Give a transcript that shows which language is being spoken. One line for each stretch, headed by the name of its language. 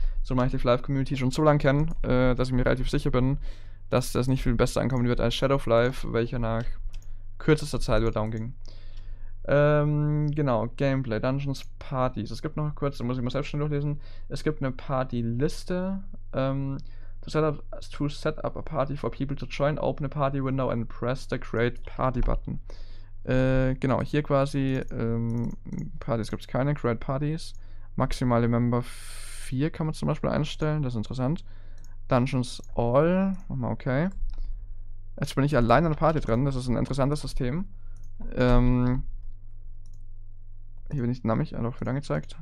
German: So mache ich die Fly-Community schon so lange kennen, dass ich mir relativ sicher bin, dass das nicht viel besser ankommen wird als Shadowfly, welcher nach kürzester Zeit wieder down ging. Genau, Gameplay, Dungeons, Partys. Es gibt noch kurz, da muss ich mal selbst schnell durchlesen. Es gibt eine Partyliste.
English: To set up a party for people to join, open a party window and press the create party button.
German: Genau, hier quasi. Partys gibt es keine, create parties. Maximale Member 4 kann man zum Beispiel einstellen, das ist interessant. Dungeons All, nochmal okay. Jetzt bin ich allein an der Party drin, das ist ein interessantes System. Hier bin ich dynamisch, auch wieder angezeigt.